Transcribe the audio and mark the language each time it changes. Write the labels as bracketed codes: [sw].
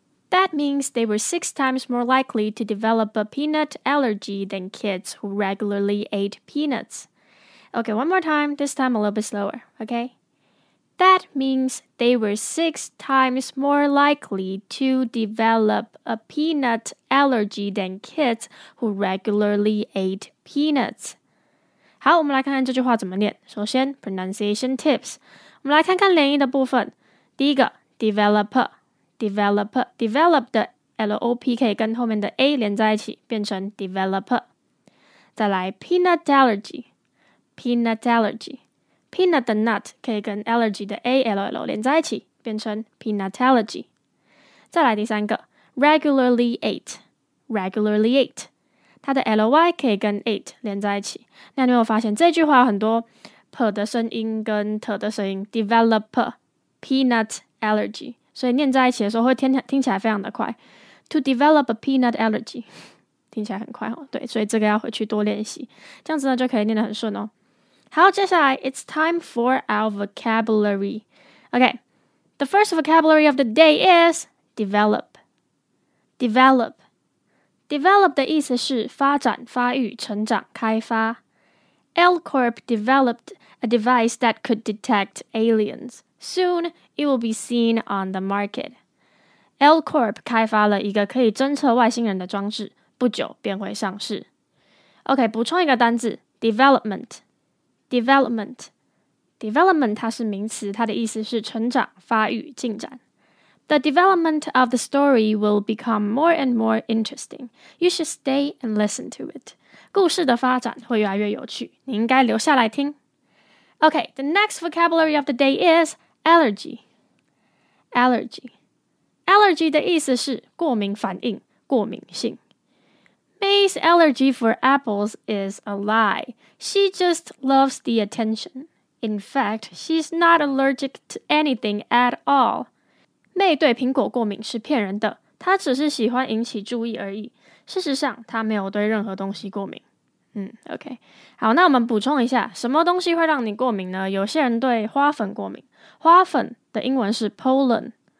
[en] That means they were 6 times more likely to develop a peanut allergy than kids who regularly ate peanuts. Okay, one more time, this time a little bit slower, okay? That means they were 6 times more likely to develop a peanut allergy than kids who regularly ate peanuts. [zh] 好，我们来看看这句话怎么念。首先 ， [en] pronunciation tips， [zh] 我们来看看连音的部分。第一个 ，develop 的 lop 可以跟后面的 a 连在一起，变成 develop。再来 ， [en] peanut allergy。 [zh] Peanut 的 nut 可以跟 allergy 的 A-L-L 连在一起，变成 peanut allergy。再来第三个 ， [en] regularly ate， [zh] 它的 L-Y 可以跟 ate 连在一起。那你有没有发现这句话很多 p 的声音跟 t 的声音 ， [en] develop peanut allergy， [zh] 所以念在一起的时候会听起来非常的快。 [en] To develop a peanut allergy， [zh] 听起来很快哦。对，所以这个要回去多练习，这样子呢就可以念得很顺哦。好，接下来 [en] it's time for our vocabulary. Okay, the first vocabulary of the day is develop. [zh] Develop. Develop 的意思是发展、发育、成长、开发。 [en] L-Corp developed a device that could detect aliens. Soon, it will be seen on the market. [zh] L-Corp 开发了一个可以侦测外星人的装置，不久便会上市。 Okay, 补充一个单字 development. Development 它是名词，它的意思是成长、发育、进展。 [en] The development of the story will become more and more interesting. You should stay and listen to it. [zh] 故事的发展会越来越有趣，你应该留下来听。 [en] Okay, the next vocabulary of the day is allergy. [zh] Allergy. Allergy 的意思是过敏反应、过敏性。 [en] May's allergy for apples is a lie. She just loves the attention. In fact, she's not allergic to anything at all. [zh] May 对苹果过敏是骗人的，她只是喜欢引起注意而已。事实上，她没有对任何东西过敏。 [en] OK. [zh] 好，那我们补充一下，什么东西会让你过敏呢？有些人对花粉过敏，花粉的英文是 pollen.